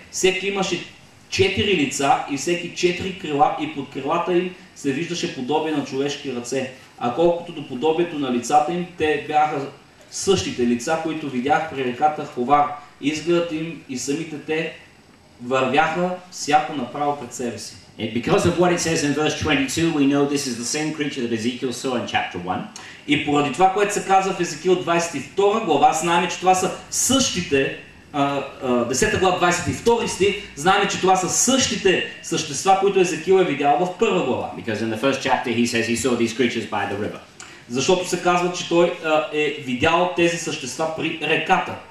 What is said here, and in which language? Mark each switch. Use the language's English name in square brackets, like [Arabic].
[Bulgarian] Всеки имаше четири лица и всеки четири крила, и под крилата им се виждаше подобие на човешки ръце. А колкото до подобието на лицата им, те бяха същите лица, които видях при реката Ховар. Изгледът им и самите те вървяха всяко направо пред себе си. [English] And because of what it says in verse 22, we know this is the same creature that Ezekiel saw in chapter 1. [Bulgarian] И поради това, което се казва в Езекиил 22 глава, знаем, че това са същите, 10 глава 22 стих, знаем, че това са същите същества, които Езекиил е видял в първа глава. [English] Because in the first chapter he says he saw these creatures by the river. [Bulgarian] Защото се казва, че той е видял тези същества при реката.